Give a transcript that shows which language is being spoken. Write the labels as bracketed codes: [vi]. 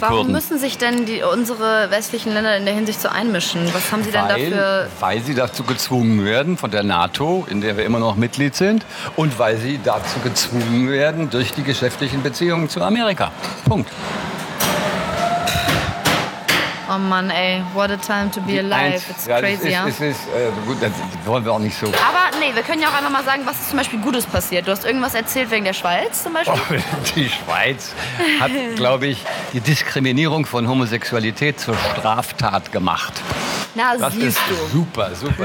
[de] Warum Kurden? Warum müssen sich denn unsere westlichen Länder in der Hinsicht so einmischen? Was haben sie denn dafür? Weil sie dazu gezwungen werden von der NATO, in der wir immer noch Mitglied sind, und weil sie dazu gezwungen werden durch die geschäftlichen Beziehungen zu Amerika. Punkt. Oh Mann, ey, [en] what a time to be alive. It's crazy, [de] ja? Das wollen wir auch nicht so. Aber nee, wir können ja auch einfach mal sagen, was ist zum Beispiel Gutes passiert. Du hast irgendwas erzählt wegen der Schweiz zum Beispiel. Oh, die Schweiz hat, glaube ich, die Diskriminierung von Homosexualität zur Straftat gemacht. Na, das siehst du. Das ist super, super.